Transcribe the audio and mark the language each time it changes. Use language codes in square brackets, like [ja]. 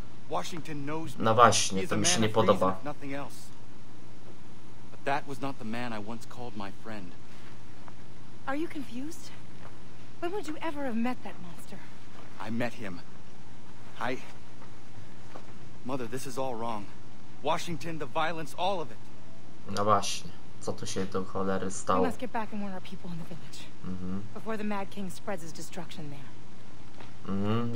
[en] Washington knows. [pl] No właśnie, to mi się nie podoba. [en] But that was not the man I once called my friend. Are you confused? When would you ever have met that monster? I met him. I... Mother, this is all wrong. Washington, the violence, all of it. [pl] No właśnie. Co tu się do cholery stało? Musimy wrócić i warnować ludzi w miejscu. [en] Before the Mad King spreads his destruction there.